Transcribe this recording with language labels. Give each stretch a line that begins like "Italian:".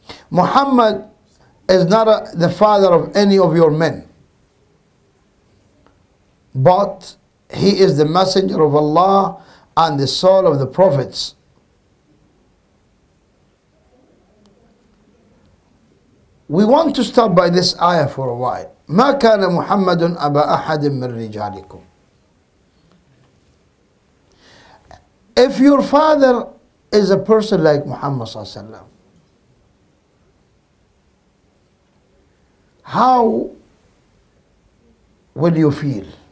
English: Muhammad is not the father of any of your men, but he is the messenger of Allah and the soul of the prophets. We want to stop by this ayah for a while.
Arabic: ما كان محمد أبا أحد من رجالكم.
English: If your father is a person like Muhammad صلى الله عليه وسلم, how will you feel?